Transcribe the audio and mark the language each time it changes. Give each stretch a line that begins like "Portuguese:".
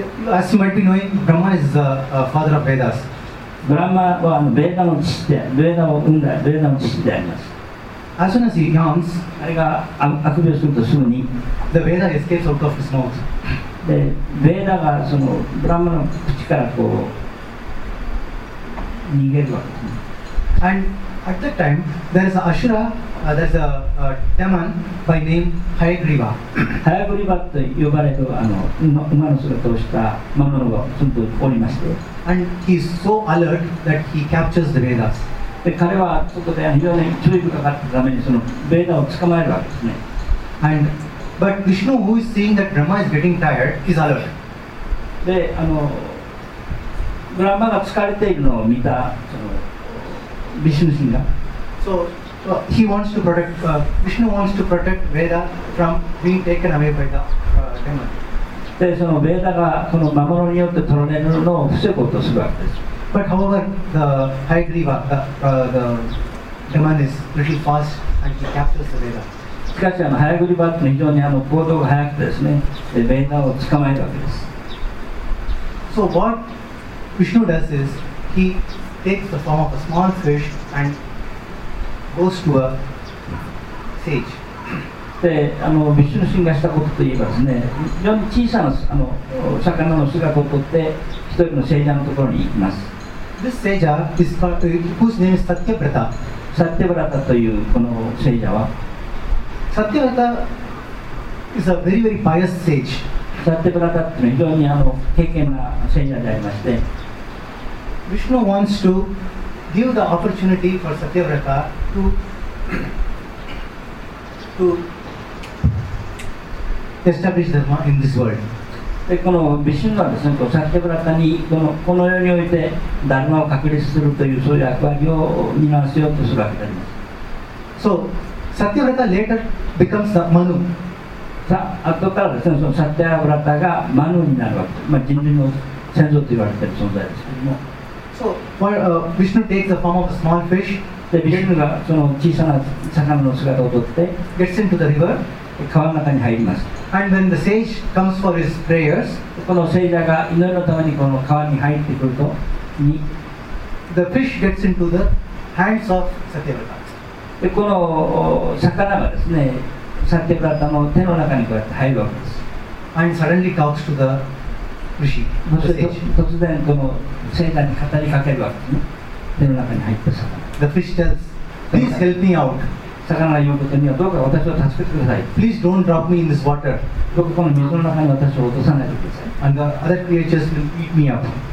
English: as you might be knowing, Brahma is the father of Vedas.
Japanese: ブラマはベーダの父で、ベーダを生んだベーダの父であります。
English: As soon as he yawns,
Japanese: あれがあくびをするとすぐに
English: The Veda escapes out of his mouth.
Japanese: で、ベーダがそのブラマの口からこう逃げるわけですね。
English: And at that time, there is an Asura, there is a demon by name Hayagriva.
Japanese: Hayagriva と呼ばれる馬の姿をした魔物がずっとおりまして、
English: And he is so alert that he captures the Vedas.
Japanese: で、彼はそこで非常に注意深かったためにそのベーダを捕まえるわけですね。
English: And, but Vishnu, who is seeing that Brahma is getting tired, is alert.
Japanese: で、ブラマが疲れているのを見たその Vishnu神が。
English: So, he wants to protect, Vishnu wants to protect Veda from being taken away by the demon.
Japanese: で、そのベーダがその魔物によって取られるのを防ごうとするわけです。
English: But however, the Hayagriva, the demon is little fast and he captures the Veda.
Japanese: しかし、Hayagriva というのは非常に行動が速くてですね、ベーダを捕まえるわけです。
English: So what Vishnu does is, he takes the form of a small fish and goes to a sage.
Japanese: で、ビシュヌ神がしたことといえばですね、非常に小さな魚の姿をとって一人の聖者のところに行きます。
English: This sage is called, whose name is Satyabrata.
Japanese: Satyabrata というこの聖者は、
English: Satyabrata is a very very pious sage.
Japanese: Satyabrata というのは非常に敬虔な聖者でありまして、
English: Vishnu wants to give the opportunity for Satyabrata to establish dharma in this world.
Japanese: で、このビシュヌはですね、サティブラタにこの世においてダルマを確立するというそういう役割を担わせようとするわけであります。
English: So, サティブラタ later becomes the Manu.
Japanese: さあ、後からですね、そのサティブラタがマヌになるわけです。まあ、人類の先祖と言われている存在ですけども。
English: So, while Vishnu takes the form of a small fish,
Japanese: で、ビシュヌがその小さな魚の姿をとって、
English: gets into the river.
Japanese: 川の中に入ります。
English: And when the sage comes for his prayers,
Japanese: この聖者が祈りのためにこの川に入ってくると、
English: the fish gets into the hands of Satyabrata.
Japanese: で、この魚がですね、サティブラタの手の中にこうやって入るわけです。
English: And suddenly talks to the rishi, the sage.
Japanese: 突然この聖者に語りかけるわけですね。手の中に入った魚。
English: The fish tells, please help me out.
Japanese: 魚が言うことにはどうか私を助けてください。
English: Please don't drop me in this water.
Japanese: どうかこの水の中に私を落とさないでください。
English: And the other creatures will eat me up.